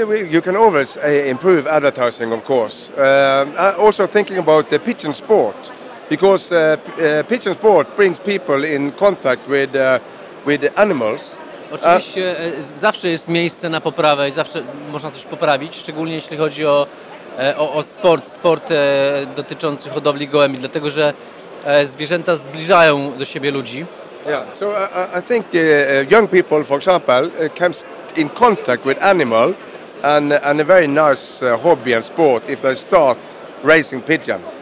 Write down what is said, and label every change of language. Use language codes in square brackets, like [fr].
[en] You can always improve advertising, of course. Also thinking about the pigeon sport, because pigeon sport brings people in contact with animals. [pl] Oczywiście zawsze jest miejsce na poprawę i zawsze można coś poprawić, szczególnie jeśli chodzi o sport dotyczący hodowli gołębi, dlatego że zwierzęta zbliżają do siebie ludzi. [en] Yeah, so I think young people, for example, comes in contact with animal and a very nice hobby and sport if they start raising pigeon.